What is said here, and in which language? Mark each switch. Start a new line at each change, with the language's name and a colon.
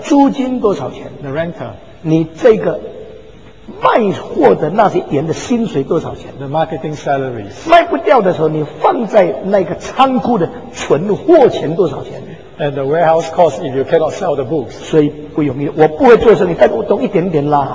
Chinese: 租金多少钱
English: ？The renter.
Chinese: 你这个卖货的那些人的薪水多少钱
English: ？The marketing salaries.
Chinese: 卖不掉的时候，你放在那个仓库的存货钱多少钱
English: ？And the warehouse cost if you cannot sell the books.
Chinese: 所以不容易，我不会做生意，但我懂一点点啦。